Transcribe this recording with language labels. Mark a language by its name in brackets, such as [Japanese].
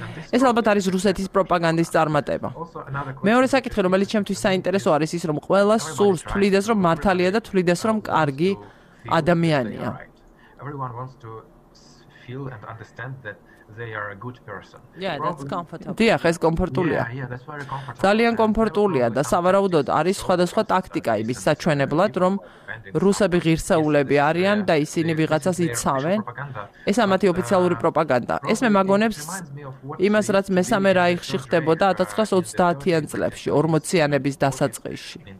[Georgian] ეს ალბათ არის რუსეთის პროპაგანდის წარმატება. მეორე საკითხი, რომელიც ჩემთვის საინტერესო არის, ის რომ ყველა სურს თვლიდეს, რომ მართალია და თვლიდეს, რომ კარგი ადამიანია. [English] Everyone wants to feel and understand that they are a good person. Yeah, that's comfortable. [Georgian] დიახ, ეს კომფორტულია. [English] Yeah, that's very comfortable. [Georgian] ძალიან კომფორტულია და სავარაუდოდ არის სხვადასხვა ტაქტიკა იმის საჩვენებლად, რომ რუსები ღირსეულები არიან და ისინი ვიღაცას იცავენ. ეს ამათი ოფიციალური პროპაგანდა. ეს მე მაგონებს იმას, რაც მესამე რაიხში ხდებოდა 1930-იან წლებში, 40-იანების დასაწყისში.